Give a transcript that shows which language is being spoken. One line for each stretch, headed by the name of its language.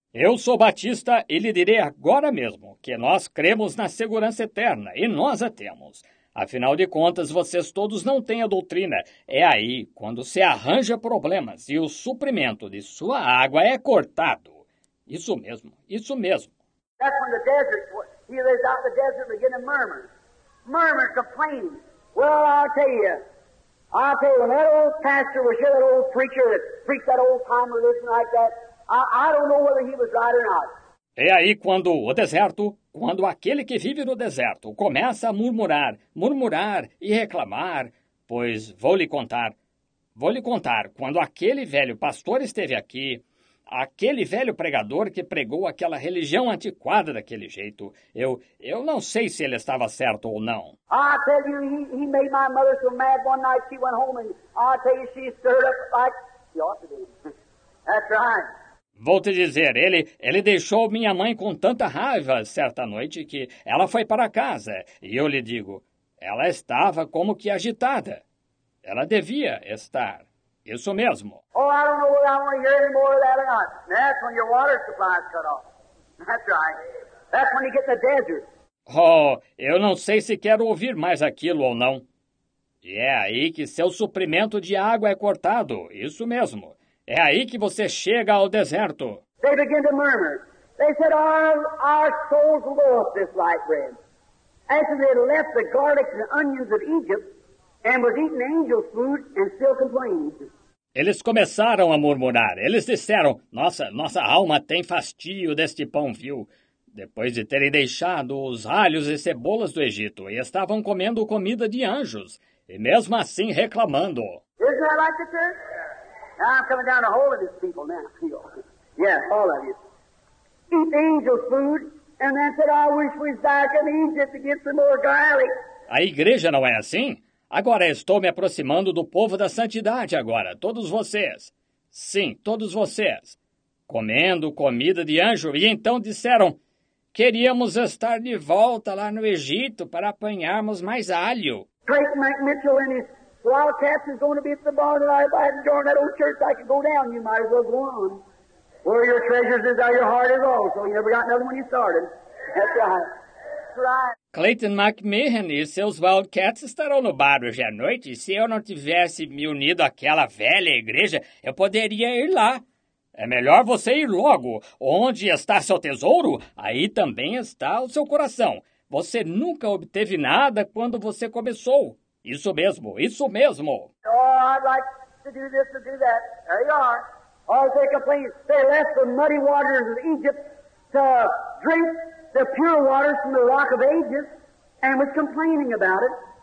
Portuguese: Eu sou batista e lhe direi agora mesmo que nós cremos na segurança eterna e nós a temos. Afinal de contas, vocês todos não têm a doutrina. É aí quando se arranja problemas e o suprimento de sua água é cortado. Isso mesmo, isso mesmo.
English: That's when the desert, he lives out in the desert beginning to murmur. Murmur, complain. Well, I'll tell you, when that old pastor was here, that old preacher that preached that old time religion like that, I don't know whether he was right or not.
Portuguese: É aí quando o deserto, quando aquele que vive no deserto começa a murmurar, murmurar e reclamar, pois vou lhe contar, quando aquele velho pastor esteve aqui, aquele velho pregador que pregou aquela religião antiquada daquele jeito, eu não sei se ele estava certo ou não.
English: I tell you, he made my mother so mad one night she went home and I tell you, she stirred up like she ought to be. That's right.
Portuguese: Vou te dizer, ele deixou minha mãe com tanta raiva certa noite que ela foi para casa. E eu lhe digo, ela estava como que agitada. Ela devia estar. Isso mesmo.
English: Oh, I don't know whether I want to hear any more of that or not. That's when your water supply is cut off. That's right. That's when you get the desert.
Portuguese: Oh, eu não sei se quero ouvir mais aquilo ou não. E é aí que seu suprimento de água é cortado. Isso mesmo. É aí que você chega ao deserto.
English: They begin to murmur. They said, our souls loathe this light bread. After they left the garlic and onions of Egypt and was eating angel food and still complained.
Portuguese: Eles começaram a murmurar. Eles disseram, nossa alma tem fastio deste pão, viu? Depois de terem deixado os alhos e cebolas do Egito e estavam comendo comida de anjos e mesmo assim reclamando.
English: Isn't that like the church? Now I'm coming down to hold of these people now. Yeah, all of you. Eat angel food, and then said, I wish we was back in Egypt to get some more garlic.
Portuguese: A igreja não é assim? Agora estou me aproximando do povo da santidade agora, todos vocês. Sim, todos vocês. Comendo comida de anjo, e então disseram, queríamos estar de volta lá no Egito para apanharmos mais alho.
English: Clayton McMitchell and his Wildcats is going to be at the barn, and if I hadn't joined that old church, I could go down. You might as well go on. Where your treasures is, there your heart is also. You never got nothing when you started. That's right. Right.
Portuguese: Clayton McMahon e seus Wildcats estarão no bar hoje à noite. Se eu não tivesse me unido àquela velha igreja, eu poderia ir lá. É melhor você ir logo. Onde está seu tesouro, aí também está o seu coração. Você nunca obteve nada quando você começou. Isso mesmo, isso mesmo.
English: Oh, I'd like to do this or do that. There you are. All they complain, they left the muddy waters of Egypt to drink the pure waters from the rock of ages, and was complaining about it.